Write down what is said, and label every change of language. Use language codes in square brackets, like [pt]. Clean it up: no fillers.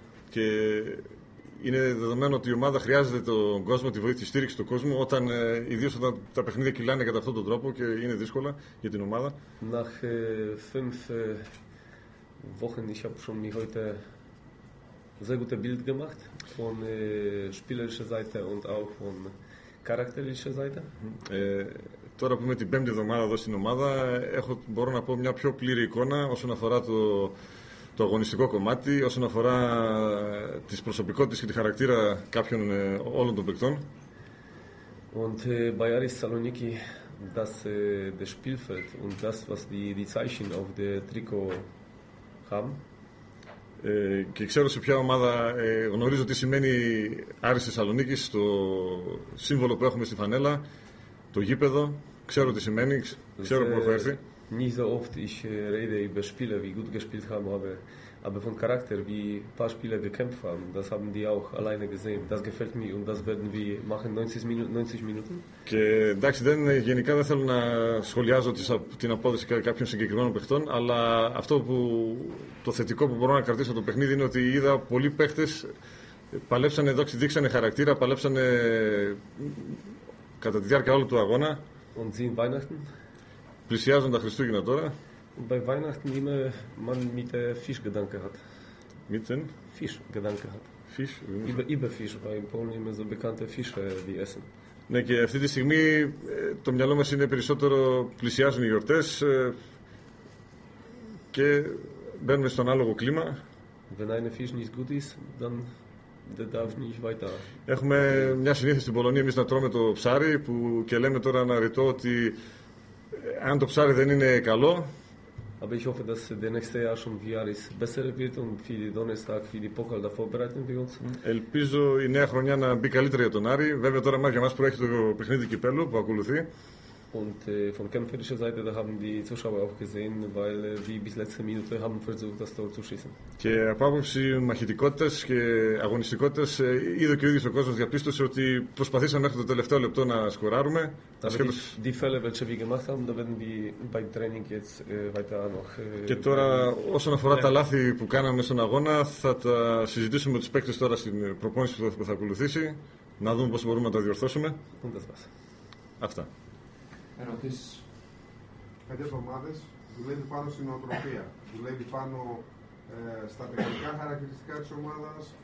[el] Και είναι δεδομένο ότι η ομάδα χρειάζεται τον κόσμο, τη βοήθεια, τη στήριξη του κόσμου, όταν, ιδίως όταν τα παιχνίδια κυλάνε κατά αυτόν τον τρόπο και είναι δύσκολα για την ομάδα. [de] Nach fünf Wochen, ich habe schon mir heute sehr gute Bild gemacht von spielerischer Seite und auch von charakterischer Seite. [el] Τώρα που είμαι την πέμπτη εβδομάδα εδώ στην ομάδα, μπορώ να πω μια πιο πλήρη εικόνα όσον αφορά το αγωνιστικό κομμάτι, όσον αφορά τις προσωπικότητες και τη χαρακτήρα κάποιων όλων των παικτών. [de] Und bei Aris Saloniki, das das Spielfeld und das was die Zeichen auf der Trikot haben. [el] Και ξέρω σε ποια ομάδα γνωρίζω τι σημαίνει Άρης Θεσσαλονίκης, το σύμβολο που έχουμε στη φανέλα, το γήπεδο, ξέρω τι σημαίνει, ξέρω που έχω έρθει. [de] Nicht so oft ich rede über Spieler, wie gut gespielt haben, aber von Charakter, wie ein paar Spieler gekämpft haben, das haben die auch alleine gesehen. Das gefällt mir und das werden wir machen 90 Minuten. [el] Και εντάξει, γενικά δεν θέλω να σχολιάζω την απόδοση κάποιων συγκεκριμένων παιχτών, αλλά αυτό που το θετικό που μπορώ να κρατήσω το παιχνίδι είναι ότι είδα πολλοί παίχτες παλέψανε εδώ, δείξανε χαρακτήρα, παλέψανε κατά τη διάρκεια όλου του αγώνα. [de] Und sie in Weihnachten? [el] Πλησιάζουν τα Χριστούγεννα τώρα. [de] Bei Weihnachten immer man mit der Fischgedanke hat. Mit den? Fischgedanke hat. Fisch? Über Fisch, weil in Polen immer so bekannte Fische die essen. [el] Ναι, και αυτή τη στιγμή το μυαλό μας είναι περισσότερο πλησιάζουν οι γιορτές και μπαίνουμε στον άλογο κλίμα. [de] Wenn eine Fisch nicht gut ist, dann δεν darf nicht weiter. [el] Έχουμε μια συνήθεια στην Πολωνία εμείς να τρώμε το ψάρι που και λέμε τώρα ένα ρητό ότι αν το ψάρι δεν είναι καλό, [de] Aber ich hoffe, dass der nächste Jahr schon wieder besser wird und für den Donnerstag, für den Pokal da vorbereiten wir uns. [el] Ελπίζω η νέα χρονιά να μπει καλύτερα για τον Άρη. Βέβαια τώρα μάλλον για μας προέχει το παιχνίδι Κυπέλλου που ακολουθεί. [de] Und von kämpferischer Seite da haben die Zuschauer auch gesehen, weil wir bis letzte Minute haben versucht, das Tor zu schießen. [el] Και από άποψη μαχητικότητας και αγωνιστικότητας, είδε και ο ίδιος ο κόσμος διαπίστωσε ότι προσπαθήσαμε μέχρι το τελευταίο λεπτό να σκοράρουμε. Ασχέτως... [de] Die Fälle, welche wir gemacht haben, da werden wir beim Training jetzt weiter noch. [el] Και τώρα, όσον αφορά τα λάθη που κάναμε στον αγώνα, θα τα συζητήσουμε με τους παίκτες τώρα στην προπόνηση που θα ακολουθήσει, να δούμε πώς μπορούμε να τα διορθώσουμε. Αυτά. Ερωτήσεις. Πέντε εβδομάδες δουλεύει πάνω στην νοοτροπία. Δουλεύει πάνω στα τεχνικά χαρακτηριστικά της ομάδας.